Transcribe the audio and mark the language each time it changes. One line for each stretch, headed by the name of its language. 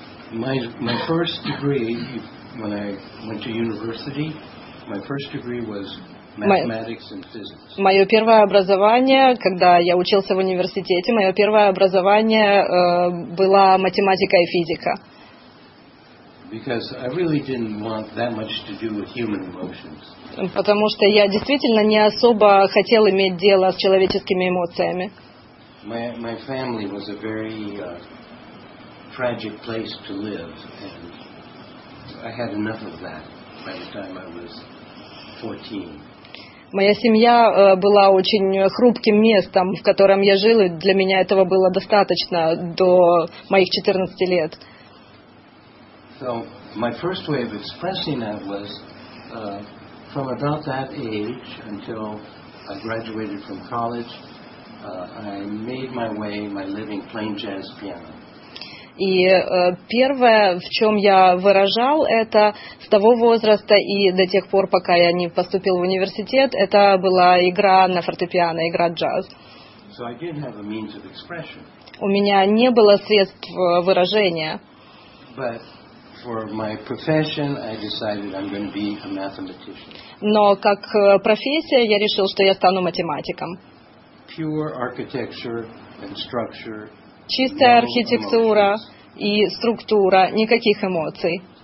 English: My first degree, when I went to university, my first degree was mathematics and physics.
Russian: Мое первое образование, когда я учился в университете, мое первое образование было математика и физика.
English: Because I really didn't want that much to do with human emotions.
Russian: Потому что я действительно не особо хотел иметь дело с человеческими эмоциями.
English: My family was a very tragic place to live, and I had enough of that by the time I was 14.
Russian: Моя семья была очень хрупким местом, в котором я жил, и для меня этого было достаточно до моих 14 лет.
English: So my first way of expressing that was from about that age until I graduated from college, I made my way, my living playing jazz piano.
Russian: И первое, в чем я выражал это с того возраста и до тех пор, пока я не поступил в университет, это была игра на фортепиано, игра джаз.
English: So I didn't have a means of expression.
Russian: У меня не было средств выражения.
English: But for my profession, I decided I'm going to be a mathematician.
Russian: Но как профессия я решил, что я стану математиком.
English: Pure architecture and structure.
Russian: Чистая архитектура, и структура, никаких эмоций.